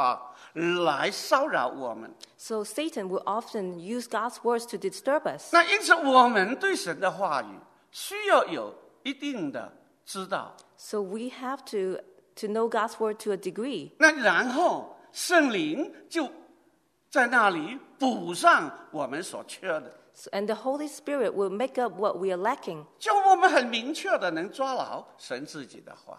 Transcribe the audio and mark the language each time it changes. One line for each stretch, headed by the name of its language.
Chinese: 所以撒旦也会常常用神的话来骚扰我们。
English: So Satan will often use God's words to disturb us.
Chinese: 那因此我们对神的话语需要有一定的知道。
English: So we have to know God's word to a degree.
Chinese: 那然后圣灵就在那里补上我们所缺的。
English: And the Holy Spirit will make up what we are lacking.
Chinese: 就我们很明确的能抓牢神自己的话。